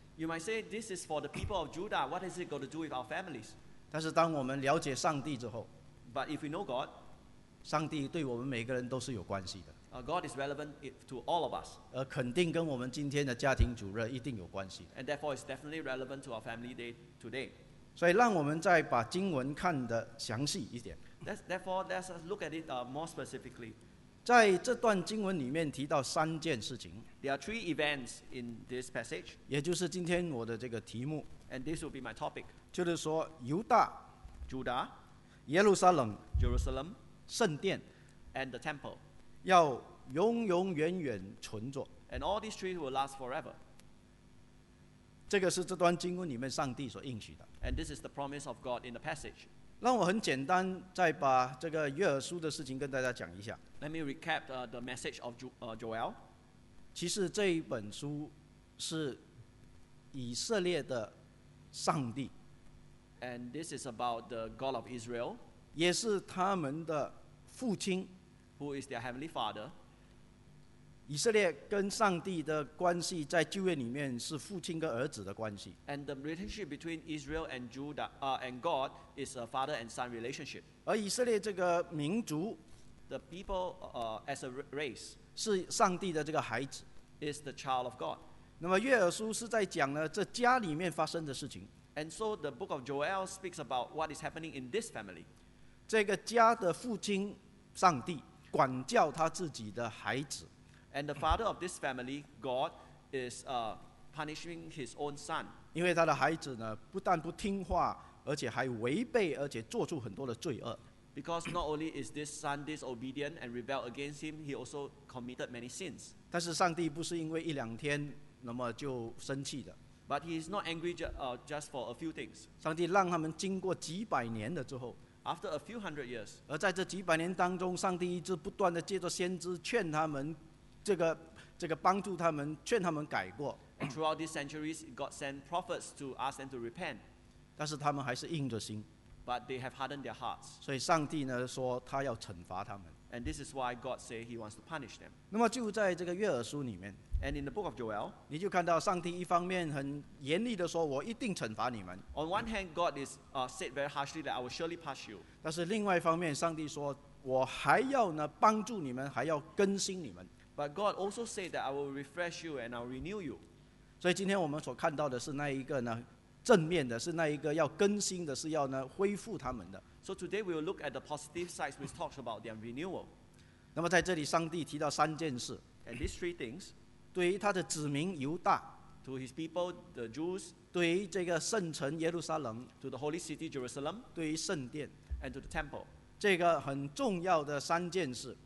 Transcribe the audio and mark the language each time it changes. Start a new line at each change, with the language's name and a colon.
English: You might say this is for the people of Judah. What is it going to do with our families?
Chinese: 但是当我们了解上帝之后，
English: But if we know God,
Chinese: 上帝对我们每个人都是有关系的。
English: God is relevant to all of us.
Chinese: 而肯定跟我们今天的家庭主日一定有关系的。
English: And therefore it's definitely relevant to our family day today.
Chinese: 所以让我们再把经文看得详细一点。
English: Therefore, let's look at it more specifically.
Chinese: 在这段经文里面提到三件事情。
English: There are three events in this passage.
Chinese: 也就是今天我的这个题目。
English: And this will be my topic.
Chinese: 就是说犹大
English: Judah,
Chinese: 耶路撒冷
English: Jerusalem,
Chinese: 圣殿
English: and the temple.
Chinese: 要永永远远存着。
English: And all these three will last forever.
Chinese: 这个是这段经文里面上帝所应许的。
English: And this is the promise of God in the passage.
Chinese: 让我很简单再把这个约珥书的事情跟大家讲一下。
English: Let me recap the message of Joel.
Chinese: 其实这一本书是以色列的上帝。
English: And this is about the God of Israel.
Chinese: 也是他们的父亲。
English: Who is their heavenly father.
Chinese: 以色列跟上帝的关系在旧约里面是父亲跟儿子的关系。
English: And the relationship between Israel and Judah, and God is a father and son relationship.
Chinese: 而以色列这个民族
English: ，the people, as a race,
Chinese: 是上帝的这个孩子
English: ，is the child of God.
Chinese: 那么约珥书是在讲呢这家里面发生的事情。
English: And so the book of Joel speaks about what is happening in this family.
Chinese: 这个家的父亲上帝管教他自己的孩子。
English: And the father of this family, God, is punishing his own son.
Chinese: 因为他的孩子呢，不但不听话，而且还违背，而且做出很多的罪恶。
English: Because not only is this son disobedient and rebel against him, he also committed many sins.
Chinese: 但是上帝不是因为一两天那么就生气的。
English: But he is not angry just for a few things.
Chinese: 上帝让他们经过几百年了之后。
English: After a few hundred years.
Chinese: 而在这几百年当中，上帝一直不断的借着先知劝他们，这个帮助他们，劝他们改过。
English: And throughout these centuries, God sent prophets to ask them to repent.
Chinese: 但是他们还是硬着心。
English: But they have hardened their hearts.
Chinese: 所以上帝呢说他要惩罚他们。
English: And this is why God says he wants to punish them.
Chinese: 那么就在这个约珥书里面。
English: And in the book of Joel,
Chinese: 你就看到上帝一方面很严厉地说我一定惩罚你们。
English: On one hand, God is said very harshly that I will surely punish you.
Chinese: 但是另外一方面上帝说我还要呢帮助你们还要更新你们。
English: But God also said that I will refresh you and I will renew you.
Chinese: 所以今天我们所看到的是那一个呢正面的是那一个要更新的是要呢恢复他们的。
English: So today we will look at the positive sides which talks about their renewal.
Chinese: 那么在这里上帝提到三件事。
English: And these three things,
Chinese: 对于他的子民犹大
English: to his people, the Jews,
Chinese: 对于这个圣城耶路撒冷
English: to the holy city Jerusalem,
Chinese: 对于圣殿
English: and to the temple.
Chinese: 这个很重要的三件事。